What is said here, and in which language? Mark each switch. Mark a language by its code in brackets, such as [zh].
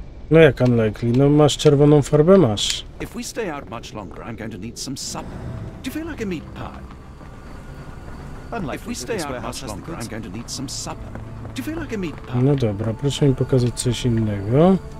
[pl] No jak unlikely? No masz czerwoną farbę, masz. [en] If we stay out much longer, I'm going to need some supper. Do you feel like a meat pie? [pl] No dobra, proszę mi pokazać coś innego.